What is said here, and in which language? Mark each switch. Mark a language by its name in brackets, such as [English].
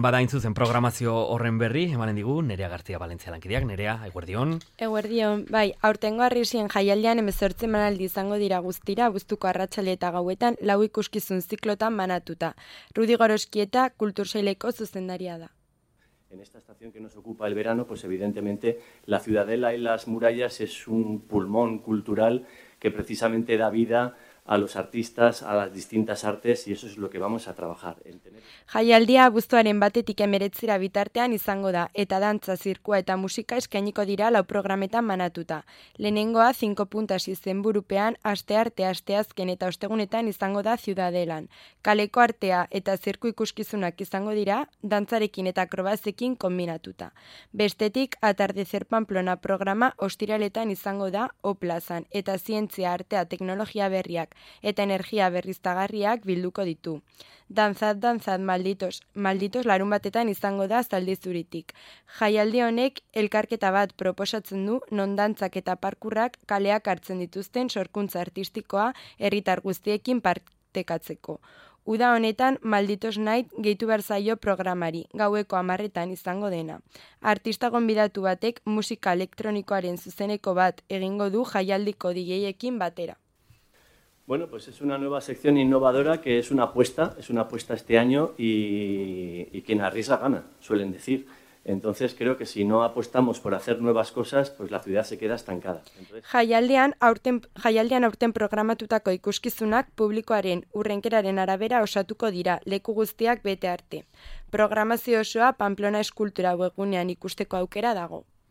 [Basque] Badain zuzen programazio horren berri, emanen digu Nerea Garzia Valentzia lankideak. Nerea, eguerdion. Eguerdion, bai, aurtengo Arrisien jaialdean 18 emanaldi izango dira guztira, Abuztuko arratsalde eta gauetan lau ikuskizun ziklotan banatuta. Rudi Gorostieta kultursaileko zuzendaria da. [Spanish] En esta estación que nos ocupa el verano, pues evidentemente la ciudadela y las murallas es un pulmón cultural que precisamente da vida a los artistas, a las distintas artes, y eso es lo que vamos a trabajar. [Basque] Jaialdia abuztuaren batetik 19 bitartean izango da, eta dantza, zirkua eta musika eskainiko dira lau programetan manatuta. Lehenengoa 5 puntas izenburupean astearte, asteazken eta ostegunetan izango da ciudadelan. Kaleko artea eta zirku ikuskizunak izango dira, dantzarekin eta akrobazekin kombinatuta. Bestetik, Atardecer Pamplona programa ostiraletan izango da Oplazan, eta zientzia, artea, teknologia berriak eta energia berriztagarriak bilduko ditu. Dantzat, dantzat, malditos, malditos larun batetan izango da Zaldizuritik. Jaialdi honek elkarketa bat proposatzen du non dantzak eta parkurrak kaleak hartzen dituzten sorkuntza artistikoa herritar guztiekin partekatzeko. Uda honetan, Malditos Night gehitu behar zaio programari, gaueko 10:00 izango dena. Artista gonbidatu batek musika elektronikoaren zuzeneko bat egingo du jaialdiko DJ-ekin batera. [Spanish] Bueno, pues es una nueva sección innovadora que es una apuesta este año y quien arriesga gana, suelen decir. Entonces creo que si no apostamos por hacer nuevas cosas, pues la ciudad se queda estancada. [Basque] Jaialdian aurten programatutako ikuskizunak publikoaren urrenkeraren arabera osatuko dira, leku guztiak bete arte. Programazio osoa Pamplona Eskultura webgunean ikusteko aukera dago.